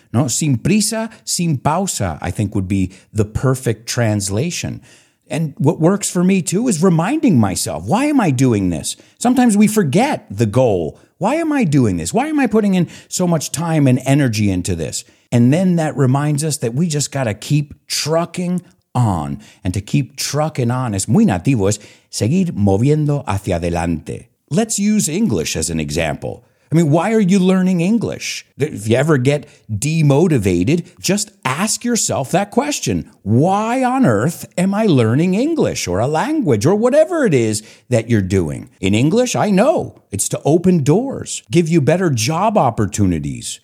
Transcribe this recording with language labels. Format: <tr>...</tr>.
<es>No, sin prisa, sin pausa,</es> <en>I think would be the perfect translation. And what works for me too is reminding myself, why am I doing this? Sometimes we forget the goal. Why am I doing this? Why am I putting in so much time and energy into this? And then that reminds us that we just got to keep trucking on. And to keep trucking on</en> <es>es muy nativo, es seguir moviendo hacia adelante.</es> <en>Let's use English as an example. I mean, why are you learning English? If you ever get demotivated, just ask yourself that question. Why on earth am I learning English or a language or whatever it is that you're doing? In English, I know it's to open doors, give you better job opportunities.</en>